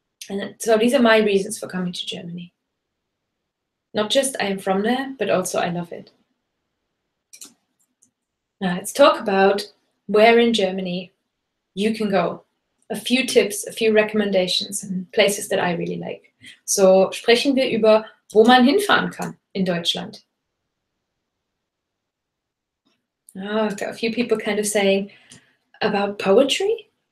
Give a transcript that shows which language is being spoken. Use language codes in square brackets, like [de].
[en] And so these are my reasons for coming to Germany. Not just I am from there, but also I love it. Now let's talk about where in Germany you can go. A few tips, a few recommendations and places that I really like. [de] So sprechen wir über, wo man hinfahren kann in Deutschland. [en] Oh, I've got a few people kind of saying about poetry.